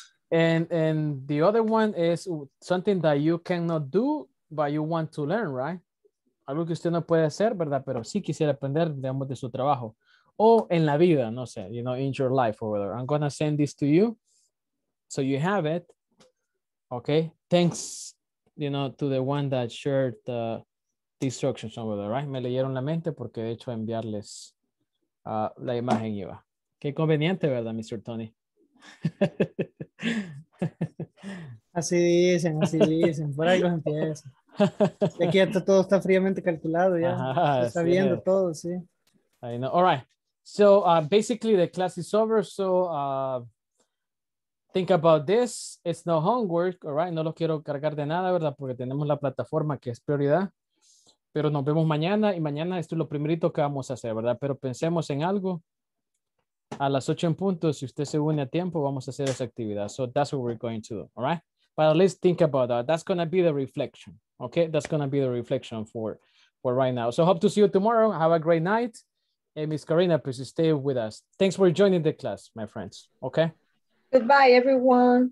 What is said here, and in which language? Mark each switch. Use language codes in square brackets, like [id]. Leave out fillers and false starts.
[en] And the other one is something that you cannot do, but you want to learn, right? [es] Algo que usted no puede hacer, ¿verdad? Pero sí quisiera aprender, digamos, de su trabajo. O en la vida, no sé, [en] you know, in your life or whatever. I'm going to send this to you so you have it. Okay, thanks, you know, to the one that shared the instructions over there, right? [es] Me leyeron la mente porque de hecho enviarles la imagen iba. Qué conveniente, ¿verdad, Mr. Tony? Así dicen, por algo empieza. De aquí hasta todo está fríamente calculado ya. Ajá, está viendo es. Todo, sí. [en] I know. All right, so basically the class is over, so... think about this, it's no homework, all right? [es] No lo quiero cargar de nada, ¿verdad? Porque tenemos la plataforma que es prioridad. Pero nos vemos mañana y mañana esto es lo primerito que vamos a hacer, ¿verdad? Pero pensemos en algo. A las 8 en punto, si usted se une a tiempo, vamos a hacer esa actividad. [en] So that's what we're going to do, all right? But at least think about that. That's going to be the reflection, okay? That's going to be the reflection for right now. So hope to see you tomorrow. Have a great night. And Miss Karina, please stay with us. Thanks for joining the class, my friends, okay? Goodbye, everyone.